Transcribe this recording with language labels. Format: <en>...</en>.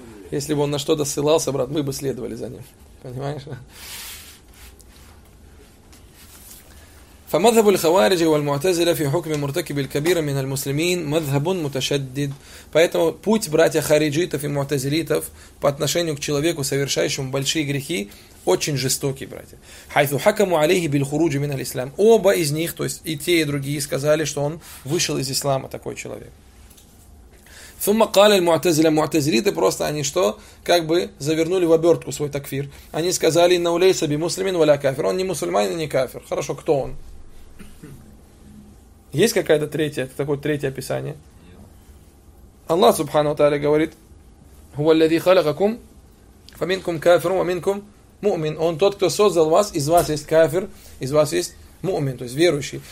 <ru>Если бы он на что-то ссылался, брат, мы бы следовали за ним. Понимаешь?</ru> <ar>فمذهب الخوارج والمعتزلة في حكم مرتكب الكبيرة من المسلمين مذهب متشدد.</ar> <ru>Поэтому путь братья хариджитов и мутазилитов по отношению к человеку, совершающему большие грехи, очень жестокий, братья.</ru> <ar>حيث حكموا عليه بالخروج من الإسلام.</ar> <ru>Оба из них, то есть и те, и другие, сказали, что он вышел из ислама, такой человек.</ru> <ar>ثم قال المعتزلة</ar> <ru>معتزليты просто они что, как бы завернули в обертку свой такфир. Они сказали,</ru> <ar>إنه ليس بمسلم ولا كافر.</ar> <ru>Он не мусульманин, не кафир. Хорошо, кто он? Есть какая-то третья, такое третье описание? Аллах Субхану Тааля говорит,</ru> <ar>«Хуа ллази халакакум, фаминкум кафиру, фаминкум му'мин».</ar> <ru>Он тот, кто создал вас, из вас есть кафир, из вас есть му'мин, то есть верующий.</ru>